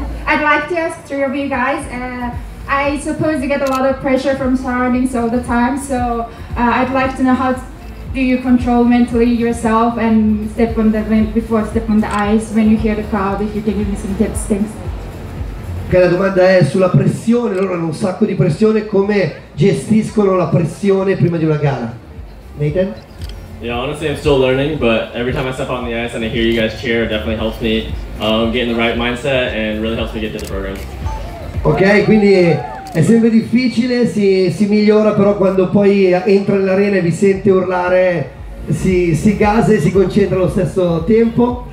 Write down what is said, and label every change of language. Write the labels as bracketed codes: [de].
[en] I'd like to ask three of you guys. I suppose you get a lot of pressure from surroundings all the time, so I'd like to know how do you control mentally yourself and step on the ice when you hear the crowd, if you can give me some tips, thanks. [it] Okay, la domanda è sulla pressione, loro hanno un sacco di pressione, come gestiscono la pressione prima di una gara? Nathan? [en] Yeah, honestly, I'm still learning, but every time I step on the ice and I hear you guys cheer, it definitely helps me get in the right mindset and really helps me get to the program. [it] Ok, quindi è sempre difficile, si migliora, però quando poi entra nell'arena e vi sente urlare, si gasa e si concentra allo stesso tempo.